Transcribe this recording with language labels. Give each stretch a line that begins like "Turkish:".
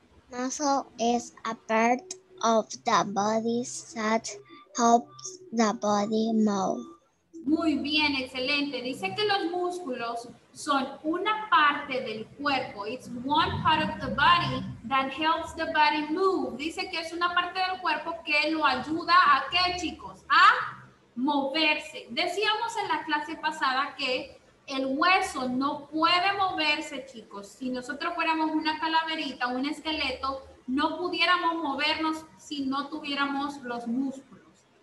English: Muscle is a part of the body that helps the body move.
Spanish: Muy bien, excelente. Dice que los músculos son una parte del cuerpo.
English: It's one part of the body that helps the body move.
Spanish: Dice que es una parte del cuerpo que lo ayuda a qué, chicos, a moverse. Decíamos en la clase pasada que el hueso no puede moverse, chicos. Si nosotros fuéramos una calaverita, un esqueleto, no pudiéramos movernos si no tuviéramos los músculos.